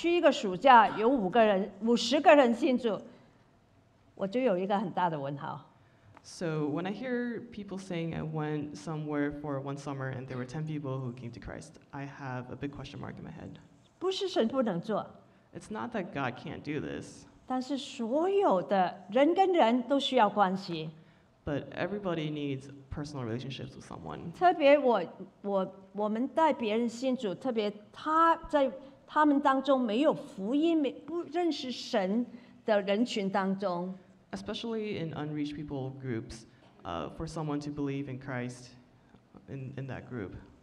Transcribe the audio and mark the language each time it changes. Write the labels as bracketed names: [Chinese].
[Chinese] 所以当你听到有人说，我去一个暑假，有五个人、50个人信主。我就有一个很大的问号。 [English] So when I hear people saying I went somewhere for one summer and there were 10 people who came to Christ, I have a big question mark in my head. [Chinese] 不是神不能做。 [English] It's not that God can't do this. [Chinese] 但是所有的人跟人都需要关系。 [English] But everybody needs personal relationships with someone. [Chinese] 特别我们带别人信主，特别他在他们当中没有福音、不认识神的人群当中。 [English] Especially in unreached people groups, for someone to believe in Christ in that group.